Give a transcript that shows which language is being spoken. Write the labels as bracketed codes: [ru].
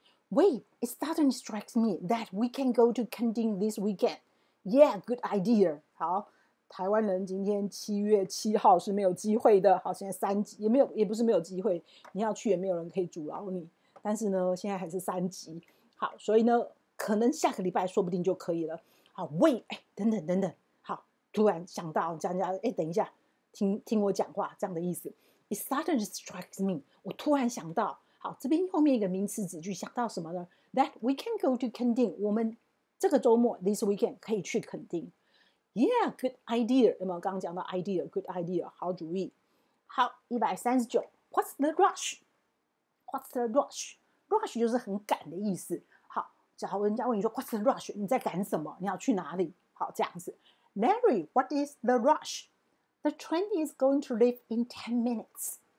[en] Wait, it suddenly strikes me that we can go to Kending this weekend. Yeah, good idea. [zh] 好，台湾人今天7月7号是没有机会的。好，现在三级也没有，也不是没有机会，你要去也没有人可以阻挠你。但是呢，现在还是三级。好，所以呢，可能下个礼拜说不定就可以了。好 ，Wait, 哎，等等等等。好，突然想到讲，哎，等一下，听我讲话这样的意思。 [en] It suddenly strikes me. [zh] 我突然想到。好，这边后面一个名词子句想到什么呢 ？ [en] That we can go to Kending， [zh] 我们这个周末 [en] this weekend [zh] 可以去垦丁。 [en] Yeah， good idea， [zh] 有没有？刚刚讲到 idea， good idea， 好主意。 [en] 好， 139 What's the rush？ What's the rush？ [zh] Rush 就是很赶的意思。好，假如人家问你说 [en] What's the rush？ [zh] 你在赶什么？你要去哪里？好，这样子。 [en] Larry， what is the rush？ The train is going to leave in 10 minutes。